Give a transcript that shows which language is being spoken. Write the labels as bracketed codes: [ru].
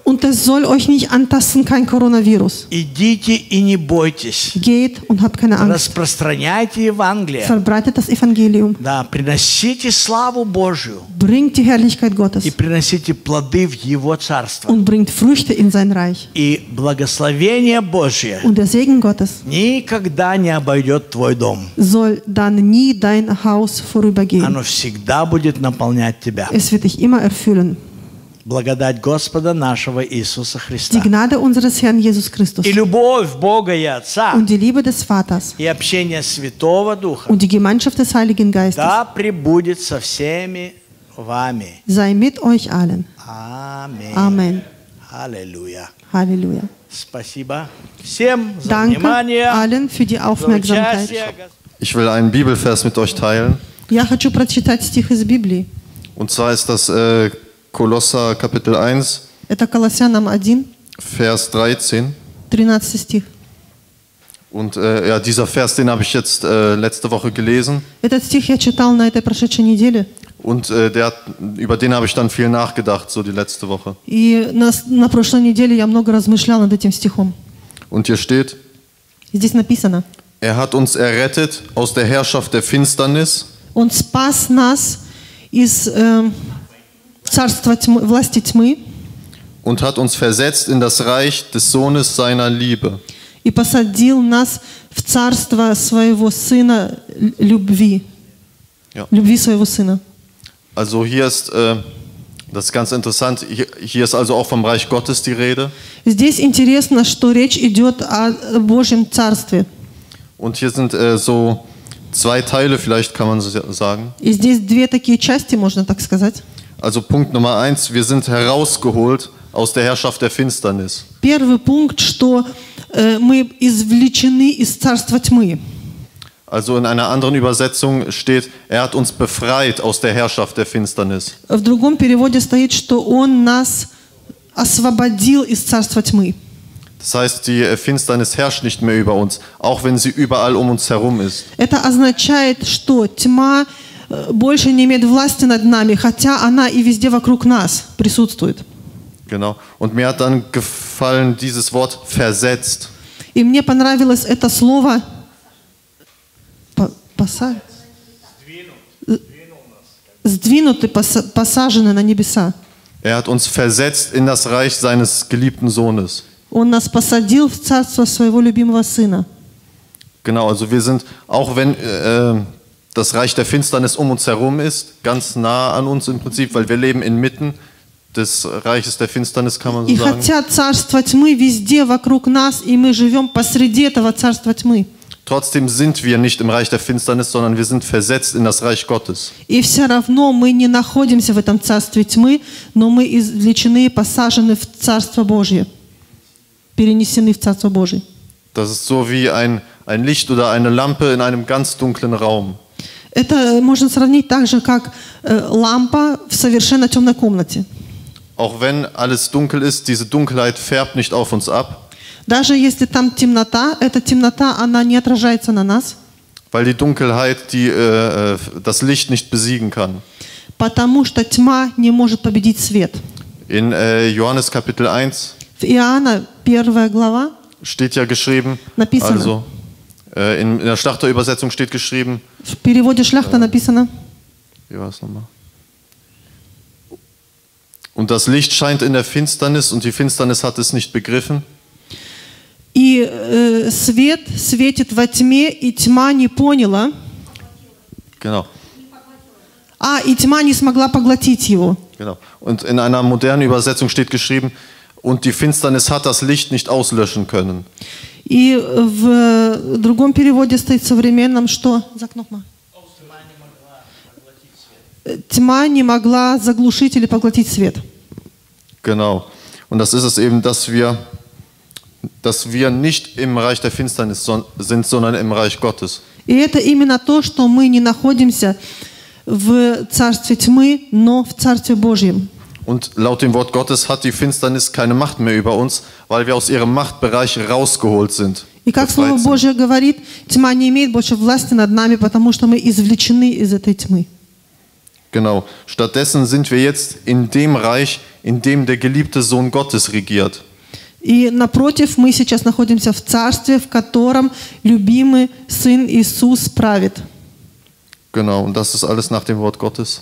[de] Und es soll euch nicht antasten, kein Coronavirus. [ru] Идите и не бойтесь. [de] Geht und habt keine Angst. [ru] Распространяйте Евангелие. [de] Verbreitet das Evangelium. [ru] Да, приносите славу Божию. [de] Bringt die Herrlichkeit Gottes. [ru] И приносите плоды в Его Царство. [de] Und bringt Früchte in sein Reich. [ru] И благословение Божие. [de] Und der Segen Gottes. [ru] Никогда не обойдет твой дом. [de] Soll dann nie dein Haus vorübergehen. [ru] Оно всегда будет наполнять тебя. [de] Es wird dich immer erfüllen. [ru] Благодать Господа нашего Иисуса Христа. [de] Die Gnade unseres Herrn Jesus Christus. [ru] И любовь Бога и Отца. [de] Und die Liebe des Vaters. [ru] И общение Святого Духа. [de] Und die Gemeinschaft des Heiligen Geistes. [ru] Да пребудет со всеми вами. [de] Sei mit euch allen. Amen. Amen. Halleluja. Halleluja. [ru] Спасибо всем за [de] Danke [ru] внимание. [de] Danke allen für die Aufmerksamkeit. Ich will einen Bibelvers mit euch teilen. [ru] Я хочу прочитать стих из Библии. [de] Und zwar ist das Kolosser Kapitel 1, [ru] это Колоссянам 1, [de] Vers 13. [ru] 13 стих. [de] Und ja, dieser Vers, den habe ich jetzt letzte Woche gelesen. [ru] Этот стих я читал на этой прошедшей неделе. [de] Und über den habe ich dann viel nachgedacht, so die letzte Woche. [ru] И на прошлой неделе я много размышлял над этим стихом. [de] Und hier steht, [ru] здесь написано, [de] er hat uns errettet aus der Herrschaft der Finsternis. Und [ru] spas nas из царства тьмы, власти тьмы, [de] und hat uns versetzt in das Reich des Sohnes seiner Liebe. [ru] И посадил нас в царство своего сына любви. [de] Ja. [ru] Любви своего сына. [de] Also hier ist das ist ganz interessant, hier ist also auch vom Reich Gottes die Rede. [ru] Здесь интересно, что речь идет о Божьем царстве. [de] Und hier sind so zwei Teile, vielleicht kann man so sagen. [ru] И здесь две такие части, можно так сказать. [de] Also Punkt Nummer eins, wir sind herausgeholt aus der Herrschaft der Finsternis. [ru] Первый пункт, что мы извлечены из царства тьмы. [de] Also in einer anderen Übersetzung steht, er hat uns befreit aus der Herrschaft der Finsternis. [ru] В другом переводе стоит, что он нас освободил из царства тьмы. [de] Das heißt, die Finsternis herrscht nicht mehr über uns, auch wenn sie überall um uns herum ist. [ru] Это означает, что тьма больше не имеет власти над нами, хотя она и везде вокруг нас присутствует. [de] Genau. Und mir hat dann gefallen dieses Wort versetzt. [ru] И мне понравилось это слово посажены на небеса. [de] Er hat uns versetzt in das Reich seines geliebten Sohnes. [ru] Он нас посадил в царство своего любимого сына. [de] Genau, also wir sind, auch wenn das Reich der Finsternis um uns herum ist, ganz nah an uns im Prinzip, weil wir leben inmitten des Reiches der Finsternis, kann man so [ru] и [de] sagen. [ru] И хотя царство тьмы везде вокруг нас, и мы живем посреди этого царства тьмы. [de] Trotzdem sind wir nicht im Reich der Finsternis, sondern wir sind versetzt in das Reich Gottes. [ru] И все равно мы не находимся в этом царстве тьмы, но мы извлечены и посажены в царство Божье. Перенесены в Царство Божие. [de] Das ist so wie ein Licht oder eine Lampe in einem ganz dunklen Raum. [ru] Это можно сравнить так же, как лампа в совершенно темной комнате. [de] Auch wenn alles dunkel ist, diese Dunkelheit färbt nicht auf uns ab. [ru] Даже если там темнота, эта темнота, она не отражается на нас. [de] Weil die Dunkelheit das Licht nicht besiegen kann. [ru] Потому что тьма не может победить свет. [de] In Johannes Kapitel 1 [ru] в Иоанна, первая глава, [de] steht ja geschrieben, [ru] написано, [de] also, in der Schlachter-Übersetzung steht geschrieben, [ru] в переводе Schlachter написано, [de] Wie war es nochmal? Und das Licht scheint in der Finsternis und die Finsternis hat es nicht begriffen. [ru] И свет светит во тьме, и тьма не поняла. [de] Genau. [ru] А, и тьма не смогла поглотить его. [de] Genau. Und in einer modernen Übersetzung steht geschrieben, und die Finsternis hat das Licht nicht auslöschen können. [ru] И в другом переводе стоит современном, что? [de] Sag noch mal. [ru] Тьма не могла заглушить или поглотить свет. [de] Genau. Und das ist es eben, dass wir nicht im Reich der Finsternis sind, sondern im Reich Gottes. [ru] И это именно то, что мы не находимся в царстве тьмы, но в царстве Божьем. [de] Und laut dem Wort Gottes hat die Finsternis keine Macht mehr über uns, weil wir aus ihrem Machtbereich rausgeholt sind. [ru] И как Слово Божье говорит, тьма не имеет больше власти над нами, потому что мы извлечены из этой тьмы. [de] Genau. Stattdessen sind wir jetzt in dem Reich, in dem der geliebte Sohn Gottes regiert. [ru] И напротив, мы сейчас находимся в царстве, в котором любимый Сын Иисус правит. [de] Genau, und das ist alles nach dem Wort Gottes.